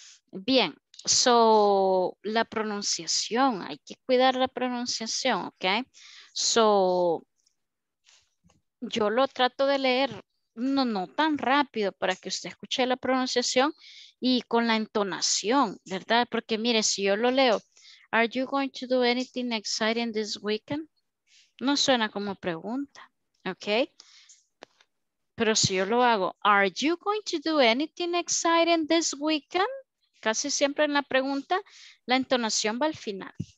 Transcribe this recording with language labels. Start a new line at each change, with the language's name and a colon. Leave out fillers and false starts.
Spanish: Bien, so, la pronunciación, hay que cuidar la pronunciación, ¿ok? So, yo lo trato de leer. No tan rápido para que usted escuche la pronunciación y con la entonación, ¿verdad? Porque mire, si yo lo leo,
English: are you going to do anything exciting this weekend?
Spanish: No suena como pregunta, ¿ok? Pero si yo lo hago,
English: are you going to do anything exciting this weekend?
Spanish: Casi siempre en la pregunta, la entonación va al final.